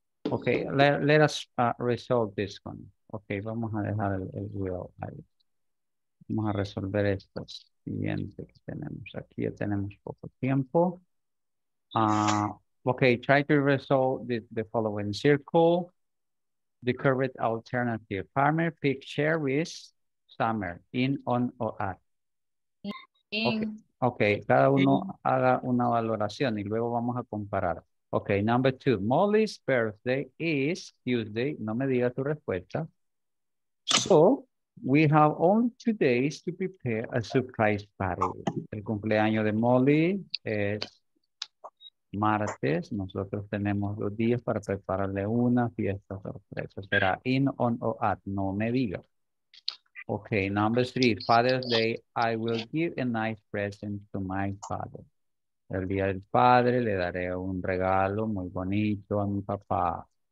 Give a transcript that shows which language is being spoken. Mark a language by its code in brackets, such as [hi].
[en] Okay, let us resolve this one. [es] Okay, vamos a dejar el will ahí. Vamos a resolver esto siguiente que tenemos. Aquí ya tenemos poco tiempo. [en] Okay, try to resolve the following circle. The correct alternative. Farmer pick cherries, summer, in, on, or at. Okay, [es] cada uno haga una valoración y luego vamos a comparar. [en] Okay, number two. Molly's birthday is Tuesday. [es] No me diga tu respuesta. [en] So, we have only 2 days to prepare a surprise party. [es] El cumpleaños de Molly es martes. Nosotros tenemos 2 días para prepararle una fiesta sorpresa. Será [en] in, on, or at. [es] No me diga. [en] Okay, number three. Father's Day, I will give a nice present to my father. [es] El día del padre le daré un regalo muy bonito a mi papá.